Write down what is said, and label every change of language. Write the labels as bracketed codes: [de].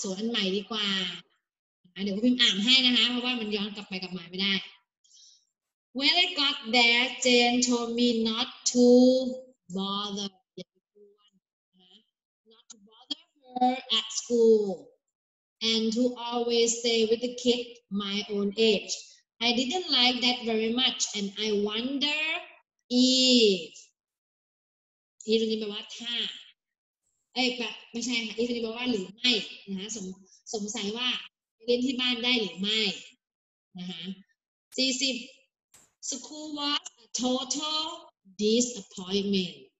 [th] So อันใหม่ดีกว่า เดี๋ยวพิมพ์อ่านให้นะคะเพราะว่ามันย้อนกลับไปกลับมาไม่ได้ [en] When I got there, Jane told me not to. Bother, not to bother her at school, and to always stay with the kid my own age. I didn't like that very much, and I wonder if. [th] If นี่แปลว่าถ้าเอ้ยไม่ใช่ค่ะ if นี่แปลว่าหรือไม่นะฮะสงสัยว่าเรียนที่บ้านได้หรือไม่นะฮะ [en] 40 school was a total disappointment